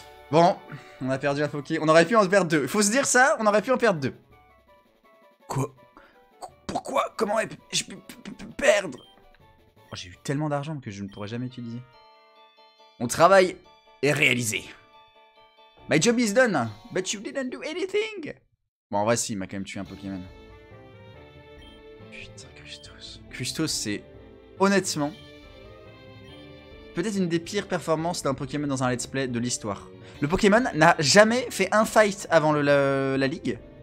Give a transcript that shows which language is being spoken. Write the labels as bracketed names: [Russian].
[French] Bon, on a perdu un Poké. On aurait pu en perdre 2. Faut se dire ça, on aurait pu en perdre 2. Quoi? Pourquoi? Comment je peux perdre? Oh, j'ai eu tellement d'argent que je ne pourrais jamais utiliser. Mon travail est réalisé. [English] My job is done, but you didn't do anything. [French] Bon, en vrai, si, il m'a quand même tué un Pokémon. Putain, Christos. Christos, c'est honnêtement... peut-être une des pires performances d'un Pokémon dans un let's play de l'histoire. Le Pokémon n'a jamais fait un fight avant la ligue.